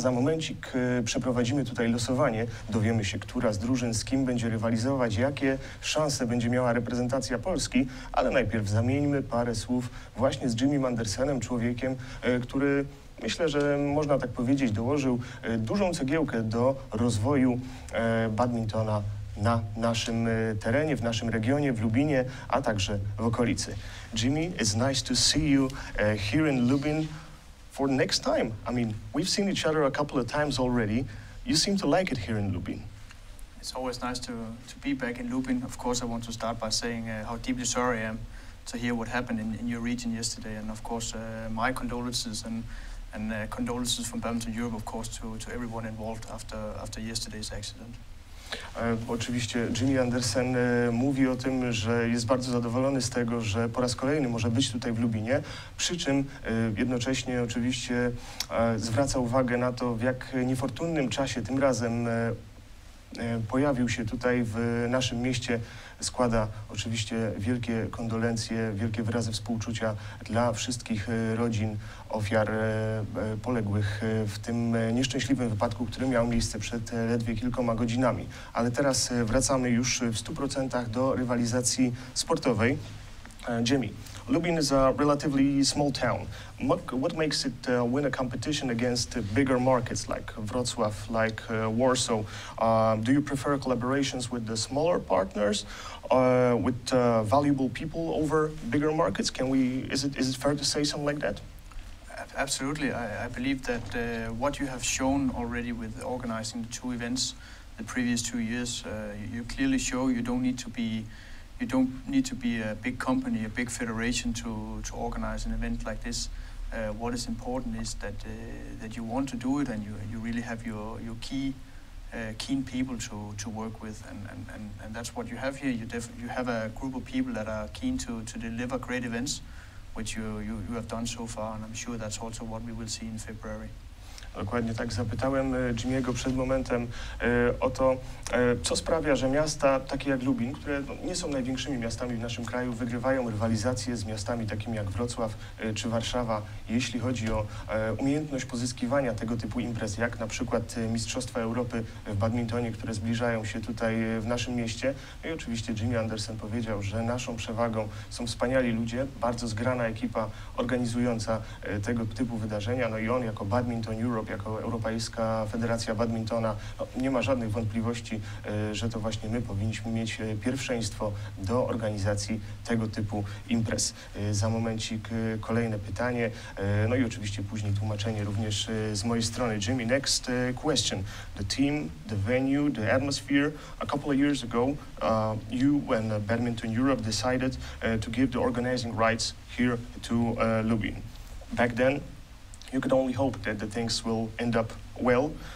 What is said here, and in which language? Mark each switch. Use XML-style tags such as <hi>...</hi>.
<pl>Za momencik przeprowadzimy tutaj losowanie. Dowiemy się, która z drużyn z kim będzie rywalizować, jakie szanse będzie miała reprezentacja Polski, ale najpierw zamieńmy parę słów właśnie z Jimmy Andersenem, człowiekiem, który, myślę, że można tak powiedzieć, dołożył dużą cegiełkę do rozwoju badmintona na naszym terenie, w naszym regionie, w Lubinie, a także w okolicy.</pl> <en>Jimmy, it's nice to see you here in Lubin for the next time. I mean, we've seen each other a couple of times already. You seem to like it here in Lubin. It's always nice to be back in Lubin. Of course, I want to start by saying how deeply sorry I am to hear what happened in your region yesterday. And of course, my condolences and condolences from Badminton Europe, of course, to everyone involved after yesterday's accident.</en> <pl>Oczywiście Jimmy Andersen mówi o tym, że jest bardzo zadowolony z tego, że po raz kolejny może być tutaj w Lubinie, przy czym jednocześnie oczywiście zwraca uwagę na to, w jak niefortunnym czasie tym razem pojawił się tutaj w naszym mieście. Składa oczywiście wielkie kondolencje, wielkie wyrazy współczucia dla wszystkich rodzin ofiar poległych w tym nieszczęśliwym wypadku, który miał miejsce przed ledwie kilkoma godzinami. Ale teraz wracamy już w 100% do rywalizacji sportowej.</pl> <en>Jimmy, Lubin is a relatively small town. What makes it win a competition against bigger markets like Wrocław, like Warsaw? Do you prefer collaborations with the smaller partners, with valuable people over bigger markets? Is it fair to say something like that? Absolutely. I believe that what you have shown already with organizing the two events the previous 2 years, you clearly show you don't need to be a big company, a big federation to organize an event like this. What is important is that that you want to do it, and you really have your keen people to work with, and that's what you have here. You have a group of people that are keen to deliver great events, which you have done so far, and I'm sure that's also what we will see in February.</en> <pl>Dokładnie tak zapytałem Jimmy'ego przed momentem o to, co sprawia, że miasta takie jak Lubin, które nie są największymi miastami w naszym kraju, wygrywają rywalizacje z miastami takimi jak Wrocław czy Warszawa, jeśli chodzi o umiejętność pozyskiwania tego typu imprez, jak na przykład Mistrzostwa Europy w badmintonie, które zbliżają się tutaj w naszym mieście. I oczywiście Jimmy Andersen powiedział, że naszą przewagą są wspaniali ludzie, bardzo zgrana ekipa organizująca tego typu wydarzenia, no i on jako badminton Europe, jako Europejska Federacja Badmintona, no, nie ma żadnych wątpliwości, że to właśnie my powinniśmy mieć pierwszeństwo do organizacji tego typu imprez. Za momencik kolejne pytanie, no i oczywiście później tłumaczenie również z mojej strony.</pl> <en>Jimmy, next question. The team, the venue, the atmosphere. A couple of years ago, you and Badminton Europe decided to give the organizing rights here to Lubin. Back then, you could only hope that the things will end up well.</en>